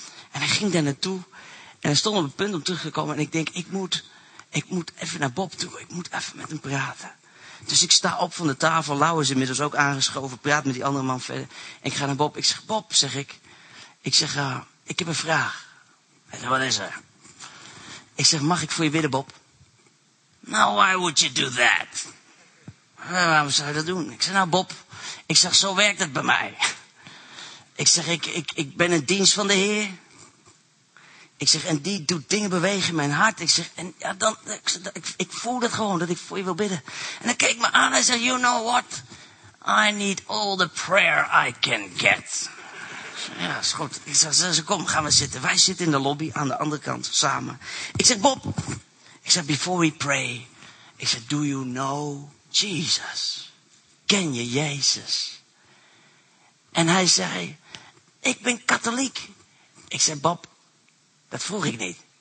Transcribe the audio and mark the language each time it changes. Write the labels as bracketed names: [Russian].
[Dutch] En hij ging daar naartoe en hij stond op het punt om terug te komen. En ik denk, ik moet even naar Bob toe, ik moet even met hem praten. Dus ik sta op van de tafel, Lau is inmiddels ook aangeschoven, praat met die andere man verder. En ik ga naar Bob, ik zeg, Bob, zeg ik. Ik zeg, ik heb een vraag. Hij zegt, wat is er? Ik zeg, mag ik voor je bidden, Bob? [English] Now, why would you do that? [Dutch] Waarom zou je dat doen? Ik zeg, nou Bob, ik zeg, zo werkt het bij mij. Ik zeg, ik ben in dienst van de Heer. Ik zeg, en die doet dingen bewegen in mijn hart. Ik zeg, en ja, dan, ik voel dat gewoon, dat ik voor je wil bidden. En hij keek me aan en zei, [English] you know what? I need all the prayer I can get. [Dutch] Ja, is goed. Ik zeg, kom, gaan we zitten. Wij zitten in de lobby aan de andere kant, samen. Ik zeg, Bob. Ik zeg, [English] before we pray. [Dutch] Ik zeg, [English] do you know Jesus? [Dutch] Ken je Jezus? En hij zei, ik ben katholiek. Ik zeg, Bob. Dat vroeg ik niet.